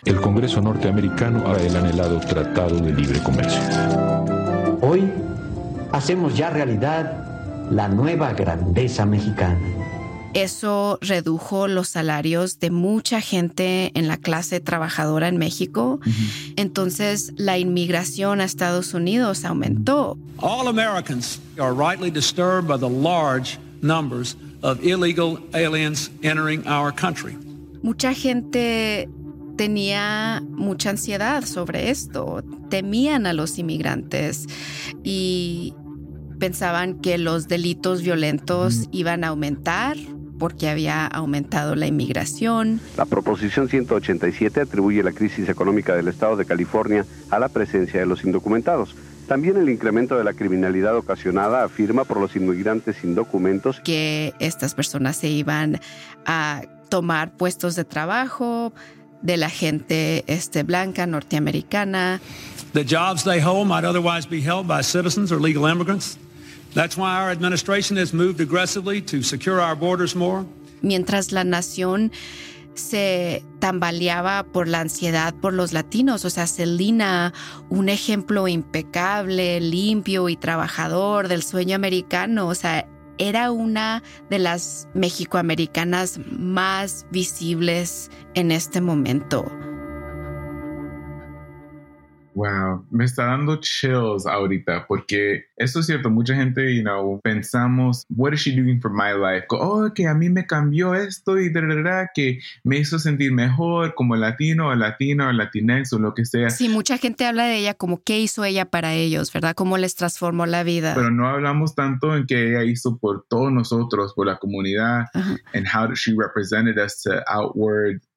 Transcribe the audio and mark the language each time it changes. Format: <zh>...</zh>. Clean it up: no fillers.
<es>El Congreso norteamericano ha el anhelado Tratado de Libre Comercio. Hoy hacemos ya realidad la nueva grandeza mexicana. Eso redujo los salarios de mucha gente en la clase trabajadora en México. Uh-huh. Entonces, la inmigración a Estados Unidos aumentó.</es> <en>All Americans are rightly disturbed by the large numbers of illegal aliens entering our country.</en> <es>Mucha gente tenía mucha ansiedad sobre esto. Temían a los inmigrantes y pensaban que los delitos violentos iban a aumentar. Porque había aumentado la inmigración. La proposición 187 atribuye la crisis económica del estado de California a la presencia de los indocumentados. También el incremento de la criminalidad ocasionada afirma por los inmigrantes sin documentos. Que estas personas se iban a tomar puestos de trabajo de la gente blanca, norteamericana.</es> <en>The jobs they hold might otherwise be held by citizens or legal immigrants. That's why our administration has moved aggressively to secure our borders more.</en> <es>Mientras la nación se tambaleaba por la ansiedad por los latinos, o sea, Selena, un ejemplo impecable, limpio y trabajador del sueño americano, o sea, era una de las mexicoamericanas más visibles en este momento. Wow, me está dando chills ahorita porque esto es cierto. Mucha gente,</es> <en>you know,</en> <es>pensamos,</es> <en>what is she doing for my life?</en> <es>Oh, que a mí me cambió esto y da, da, da, que me hizo sentir mejor como latino o latina o latinx o lo que sea. Sí, mucha gente habla de ella como qué hizo ella para ellos, ¿verdad? Cómo les transformó la vida. Pero no hablamos tanto en qué ella hizo por todos nosotros, por la comunidad,</es> <en>and how she represented us to outward.</en>